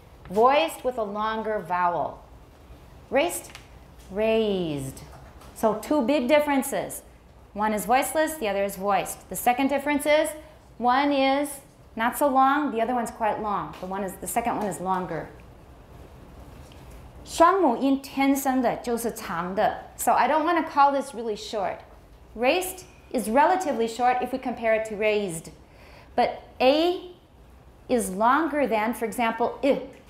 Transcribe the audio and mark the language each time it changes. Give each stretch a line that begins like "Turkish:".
English: Voiced with a longer vowel. Raised, raised. So two big differences. One is voiceless, the other is voiced. The second difference is, one is not so long, the other one's quite long. The second one is longer.
Chinese: 双母音天生的就是长的。
English: So I don't want to call this really short. Raised is relatively short if we compare it to raised. But A is longer than, for example, I.